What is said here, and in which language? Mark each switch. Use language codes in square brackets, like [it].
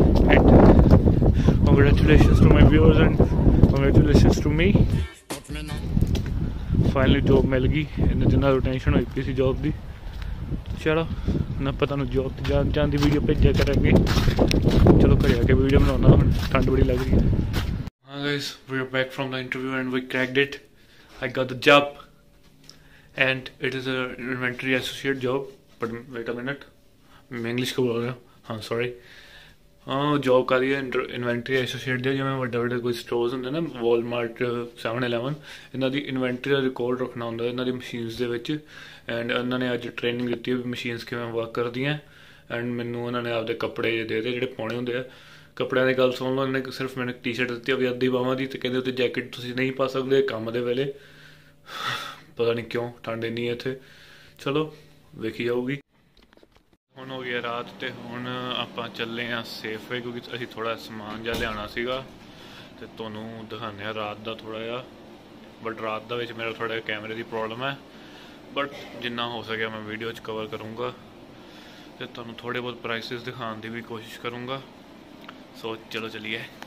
[en] and congratulations to my viewers and congratulations to me, finally job [pa] ਮਿਲ ਗਈ। ਇਹਨਾਂ ਜਿੰਨਾ ਟੈਨਸ਼ਨ ਹੋਈ ਪਈ ਸੀ ਜੋਬ ਦੀ, ਚਲੋ ਮੈਂ ਆਪਾਂ ਤੁਹਾਨੂੰ ਜੋਬ 'ਤੇ ਜਾਣ ਦੀ ਵੀਡੀਓ ਭੇਜਿਆ ਕਰਾਂਗੇ। ਚਲੋ ਘਰ ਆ ਕੇ ਵੀਡੀਓ ਬਣਾਉਂਦਾ, ਹੁਣ ਠੰਡ ਬੜੀ ਲੱਗ ਰਹੀ ਹੈ। [en] Guys, we are back from the interview and we cracked it. I got the job and it is a inventory associate job. But wait a minute, [hi] main English ka bol raha hu, sorry. [pa] Job ka liye inventory associate de, jo main bade bade koi stores hunde na, Walmart, 7-Eleven, inna di inventory record rakhna hunda inna di machines de vich, and inna ne aaj training ditti hai machines kivein work kardiyan, and mainu inna ne aap de kapde de de jehde paune hunde aa ਕੱਪੜਿਆਂ ਦੀ ਗੱਲ ਸੁਣ ਲਓ, ਇਹਨੇ ਸਿਰਫ ਮੈਨੂੰ T shirt ਦਿੱਤੀ ਅਭੀ ਅੱਧੀ ਬਾਹਾਂ ਦੀ, ਅਤੇ ਕਹਿੰਦੇ ਉੱਤੇ ਜੈਕਟ ਤੁਸੀਂ ਨਹੀਂ ਪਾ ਸਕਦੇ ਕੰਮ ਦੇ ਵੇਲੇ, ਪਤਾ ਨਹੀਂ ਕਿਉਂ ਠੰਡ ਇੰਨੀ ਹੈ ਇੱਥੇ। ਚਲੋ ਵੇਖੀ ਜਾਊਗੀ। ਹੁਣ ਹੋ ਗਈ ਰਾਤ ਅਤੇ ਹੁਣ ਆਪਾਂ ਚੱਲੇ ਹਾਂ ਸੇਫ ਵੇ, ਕਿਉਂਕਿ ਅਸੀਂ ਥੋੜ੍ਹਾ ਸਮਾਨ ਜਿਹਾ ਲਿਆਉਣਾ ਸੀਗਾ, ਅਤੇ ਤੁਹਾਨੂੰ ਦਿਖਾਉਂਦੇ ਹਾਂ ਰਾਤ ਦਾ ਥੋੜ੍ਹਾ ਜਿਹਾ। ਬਟ ਰਾਤ ਦਾ ਵਿੱਚ ਮੇਰਾ ਥੋੜ੍ਹਾ ਜਿਹਾ ਕੈਮਰੇ ਦੀ ਪ੍ਰੋਬਲਮ ਹੈ, ਬਟ ਜਿੰਨਾ ਹੋ ਸਕਿਆ ਮੈਂ ਵੀਡੀਓ 'ਚ ਕਵਰ ਕਰੂੰਗਾ, ਅਤੇ ਤੁਹਾਨੂੰ ਥੋੜ੍ਹੇ ਬਹੁਤ ਪ੍ਰਾਈਸਿਸ ਦਿਖਾਉਣ ਦੀ ਵੀ ਕੋਸ਼ਿਸ਼ ਕਰੂੰਗਾ। ਸੋ ਚਲੋ ਚੱਲੀਏ।